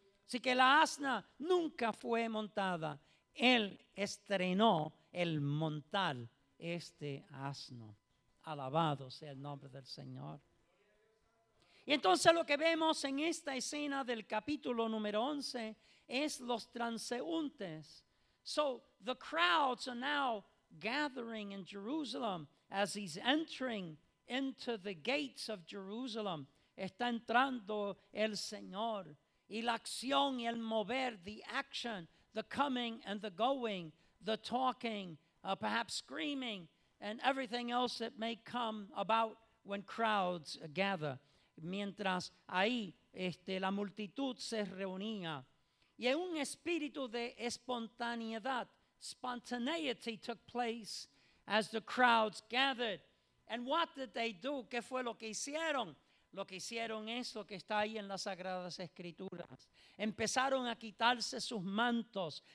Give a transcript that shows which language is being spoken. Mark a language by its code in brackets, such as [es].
[es] Así que la asna nunca fue montada. Él estrenó el montar este asno. Alabado sea el nombre del Señor. Y entonces lo que vemos en esta escena del capítulo número 11 es los transeúntes. [en] So the crowds are now gathering in Jerusalem as he's entering into the gates of Jerusalem. [es] Está entrando el Señor. Y la acción y el mover, [en] the action, the coming and the going, the talking, perhaps screaming, and everything else that may come about when crowds gather. [es] Mientras ahí la multitud se reunía. Y un espíritu de espontaneidad, [en] spontaneity took place as the crowds gathered. And what did they do? [es] ¿Qué fue lo que hicieron? Lo que hicieron es lo que está ahí en las Sagradas Escrituras. Empezaron a quitarse sus mantos.